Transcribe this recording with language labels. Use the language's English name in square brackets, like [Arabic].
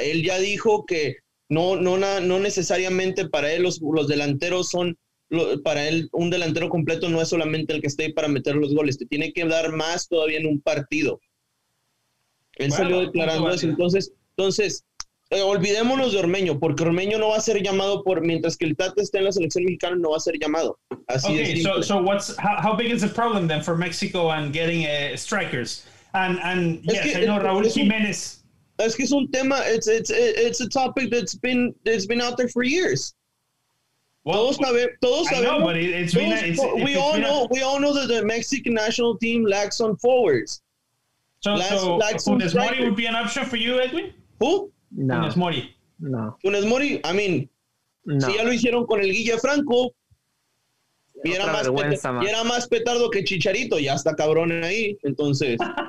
[Spanish] Él ya dijo que... No necesariamente para él los delanteros son, para él un delantero completo no es solamente el que esté ahí para meter los goles, te tiene que dar más todavía en un partido. Él salió declarando eso. Entonces, olvidémonos de Ormeño, porque Ormeño no va a ser llamado mientras que el Tata esté en la selección mexicana, no va a ser llamado. Así es. [English] Okay, so what's how big is the problem then for Mexico and getting strikers? And yes, I know Raúl Jiménez. [Spanish] Es que es un tema, [English] it's a topic that's been out there for years. [Spanish] Well, todos sabemos. [English] Know, but we all know that the Mexican national team lacks on forwards. So Funes Mori would be an option for you, Edwin? Who? No. Funes Mori. No. [Spanish] Funes Mori, [English] I mean, no. [Spanish] Si ya lo hicieron con el Guille Franco, era más petardo que Chicharito, ya está cabrón ahí, entonces.